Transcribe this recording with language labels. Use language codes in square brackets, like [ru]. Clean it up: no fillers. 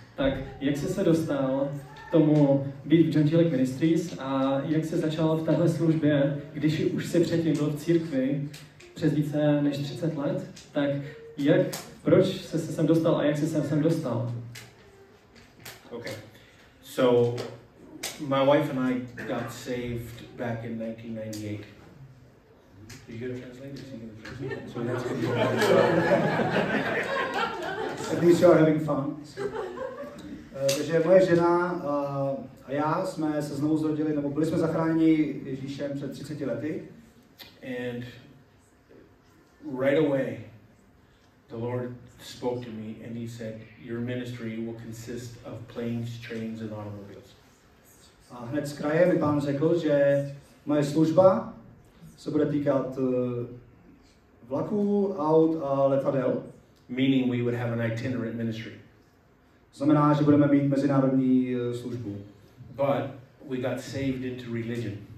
[cs] Tak jak jsi se dostal k tomu být v Johna G Ministries a jak jsi začal v téhle službě, když už jsi předtím byl v církvi přes více než 30 let, tak jak, proč jsi se sem dostal a jak jsi se sem dostal? [en] Okay, so my wife and I got saved back in 1998. Did you get a translator? At least you are having fun. [cs] Takže moje žena a já jsme se znovu zrodili, nebo byli jsme zachráněni Ježíšem před 30 lety. [en] And right away, the Lord spoke to me and he said, your ministry will consist of planes, trains and automobiles. [cs] A hned z kraje mi pán řekl, že moje služba se bude týkat vlaků, aut a letadel. [en] Meaning we would have an itinerant ministry. [cs] Znamená, že budeme mít mezinárodní službu. [en] But we got saved into religion.